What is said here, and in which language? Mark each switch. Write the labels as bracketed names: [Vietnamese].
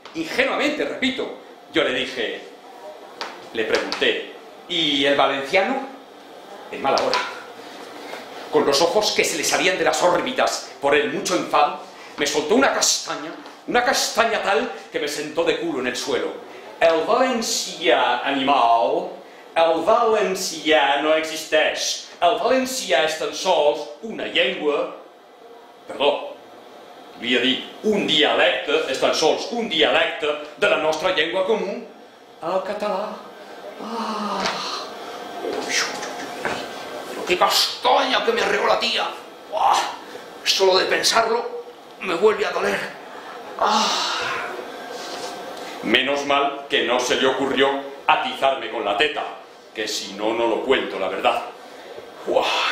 [Spanish] Ingenuamente, repito, yo le dije, le pregunté, ¿y el valenciano? En mala hora. Con los ojos que se le salían de las órbitas por el mucho enfado, me soltó una castaña tal que me sentó de culo en el suelo. [Catalan] El valencià animal, el valencià no existeix. El valencià és tan sols una llengua. Perdó, volia dir, un dialecte, és tan sols un dialecte de la nostra llengua comú, el català. Ah. [Spanish] ¡Qué castaña que me arregó la tía! ¡Buah! Solo de pensarlo, me vuelve a doler. ¡Ah! Menos mal que no se le ocurrió atizarme con la teta, que si no, no lo cuento, la verdad. ¡Buah!